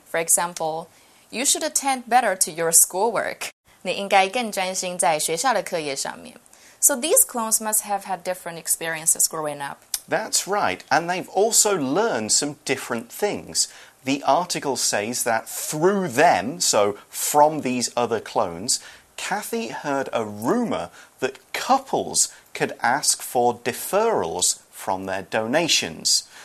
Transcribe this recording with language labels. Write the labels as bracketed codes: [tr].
[en] For example, you should attend better to your schoolwork. [zh] 你应该更专心在学校的课业上面。 [en] So these clones must have had different experiences growing up. That's right, and they've also learned some different things. The article says that through them, so from these other clones, Kathy heard a rumor that couples could ask for deferrals from their donations.